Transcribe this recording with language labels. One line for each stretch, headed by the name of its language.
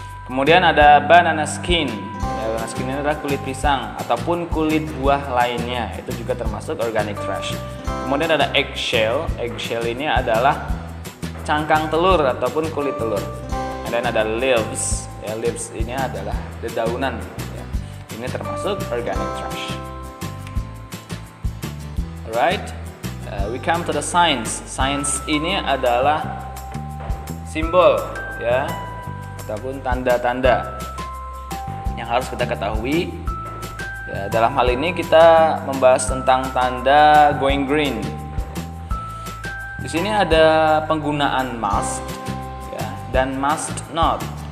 Indonesian: Kemudian ada banana skin, ya, banana skin ini adalah kulit pisang ataupun kulit buah lainnya, itu juga termasuk organic trash. Kemudian ada eggshell ini adalah cangkang telur ataupun kulit telur. Dan ada leaves, ya, leaves ini adalah dedaunan, ya, ini termasuk organic trash.
English: Right, we come to the signs.
Indonesian: Signs ini adalah simbol, ya, ataupun tanda-tanda yang harus kita ketahui. Ya, dalam hal ini kita membahas tentang tanda going green. Di sini ada penggunaan must, ya, dan must not.